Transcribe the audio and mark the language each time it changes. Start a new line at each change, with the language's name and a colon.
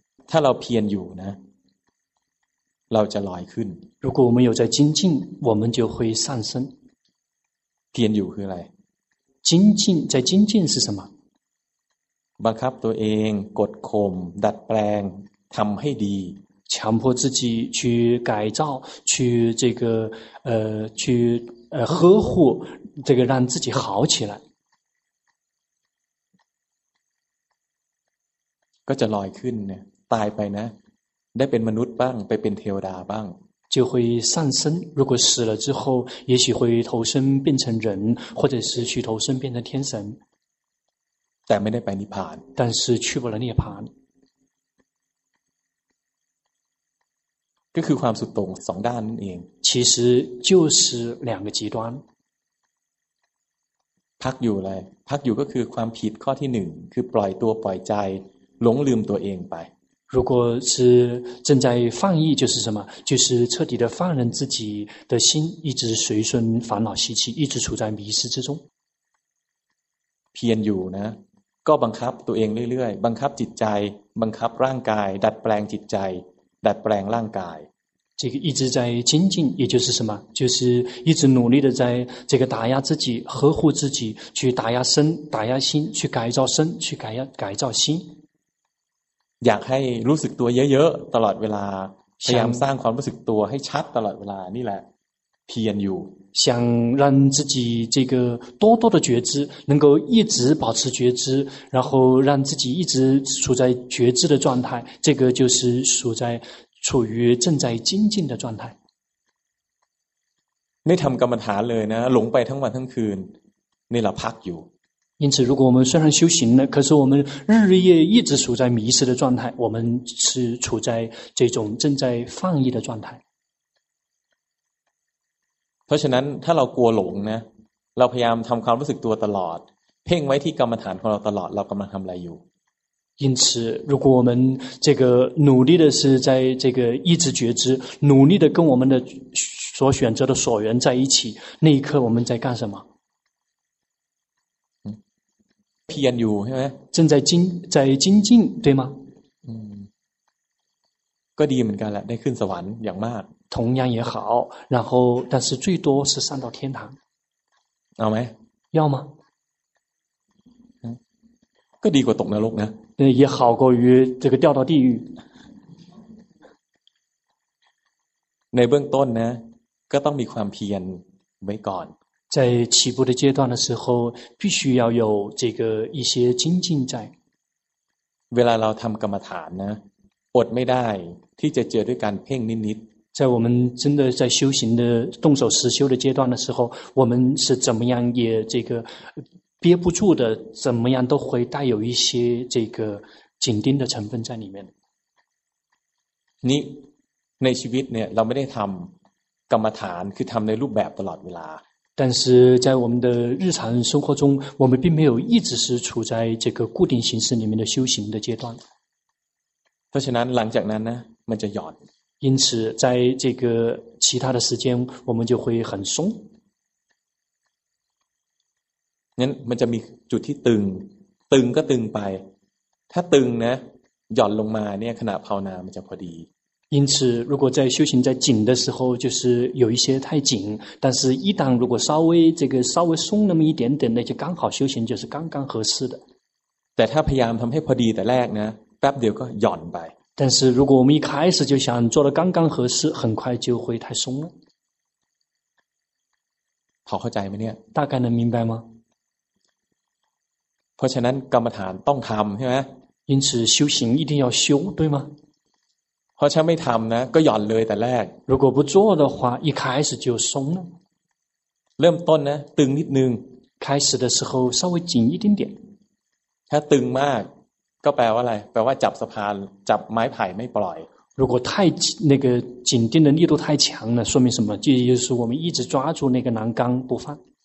Thai: ถ้าเราเพียรอยู่นะเราจะลอยขึ้น
Chinese: 如果我们有在精进我们就会上升
Thai: เพียรอยู่คืออะไร
Chinese: 精进在精进是什么
Thai: บังคับตัวเองกดข่มดัดแปลงทำให้ดี
Chinese: 强迫自己去改造去这个去呵护这个让自己好起来
Thai: ก็จะลอยขึ้นเนี่ยตายไปนะได้เป็นมนุษย์บ้างไปเป็นเทวดาบ้าง
Chinese: 就会上升如果死了之后也许会投身变成人或者是去投身变成天神
Thai: แต่ไม่ได้ไปนิพพาน
Chinese: 但是去不了涅槃
Thai: ก็คือความสุดโต่งสองด้านนั่นเอง
Chinese: 其实就是两个极端
Thai: พักอยู่อะไรพักอยู่ก็คือความผิดข้อที่หนึ่งคือปล่อยตัวปล่อยใจหลงลืมตัวเองไป
Chinese: 如果是正在放逸就是什么就是彻底的放任自己的心一直随顺烦恼习气一直处在迷失之中
Thai: เพียรอยู่นะก็บังคับตัวเองเรื่อยๆบังคับจิตใจบังคับร่างกายดัดแปลงจิตใจดัดแปลงร่างกาย
Chinese: 这个一直在精进也就是什么就是一直努力的在这个打压自己呵护自己去打压身打压心去改造身去改造心
Thai: อยากให้รู้สึกตัวเยอะๆตลอดเวลาพยายามสร้างความรู้สึกตัวให้ชัดตลอดเวลานี่แหละเพียรอยู่
Chinese: 想让自己这个多多的觉知能够一直保持觉知然后让自己一直处在觉知的状态这个就是处于正在精进的状态
Thai: ไม่ทำกรรมฐานเลยนะหลงไปทั้งวันทั้งคืนนี่เราพักอยู่
Chinese: 因此如果我们虽然修行了可是我们日日夜一直处在迷失的状态我们是处在这种正在放逸的状态
Thai: เพราะฉะนั้นถ้าเรากลัวหลงนะเราพยายามทำความรู้สึกตัวตลอดเพ่งไว้ที่กรรมฐานของเราตลอดเรากำลังทำอะไรอยู่
Chinese: 因此如果我们这个努力的是在这个一直觉知努力的跟我们的所选择的所缘在一起那一刻我们在干什么
Thai: เพียรอยู่ใช่ไหม
Chinese: 正在精进对吗
Thai: ก็ดีเหมือนกันแหละได้ขึ้นสวรรค์อย่างมาก
Chinese: 同样也好然后但是最多是上到天堂
Thai: เอาไหม
Chinese: 要吗
Thai: ก็ดีกว่าตกนรกนะ
Chinese: 也好过于这个掉到地狱
Thai: ในเบื้องต้นนะก็ต้องมีความเพียรไว้ก่อน
Chinese: 在起步的阶段的时候必须要有这个一些精进在
Thai: เวลาเราทำกรรมฐานนะอดไม่ได้ที่จะเจอด้วยการเพ่งนิด
Chinese: ๆ在我们真的在修行的动手实修的阶段的时候我们是怎么样也这个憋不住的怎么样都会带有一些这个紧盯的成分在里面
Thai: นี่ในชีวิตเนี่ยเราไม่ได้ทำกรรมฐานคือทำในรูปแบบตลอดเวลา
Chinese: 但是在我们的日常生活中我们并没有一直是处在这个固定形式里面的修行的阶段
Thai: เพราะฉะนั้นหลังจากนั้นนะมันจะหย่อน
Chinese: 因此在这个其他的时间我们就会很松
Thai: งั้นมันจะมีจุดที่ตึงตึงก็ตึงไปถ้าตึงนะหย่อนลงมาเนี่ยขณะภาวนามันจะพอดี
Chinese: 因此如果在修行在紧的时候就是有一些太紧但是一旦如果稍微这个稍微松那么一点点那就刚好修行就是刚刚合适的
Thai: แต่ถ้าพยายามทำให้พอดีแต่แรกนะแป๊บเดียวก็หย่อนไป
Chinese: 但是如果我们一开始就想做得刚刚合适很快就会太松了
Thai: พอเข้าใจไหมเนี่ย
Chinese: 大概能明白吗
Thai: เพราะฉะนั้นกรรมฐานต้องทำใช่ไหม
Chinese: 因此修行一定要修对吗
Thai: เพราะฉะนั้นไม่ทำนะก็หย่อนเลยแต่แรก
Chinese: 如果不做的话一开始就松了
Thai: เริ่มต้นนะตึงนิดนึง
Chinese: 开始的时候稍微紧一点点
Thai: ถ้าตึงมากก็แปลว่าอะไรแปลว่าจับสะพานจับไม้ไผ่ไม่ปล่อย
Chinese: 如果太那个紧盯的力度太强了说明什么就是我们一直抓住那个栏杆不放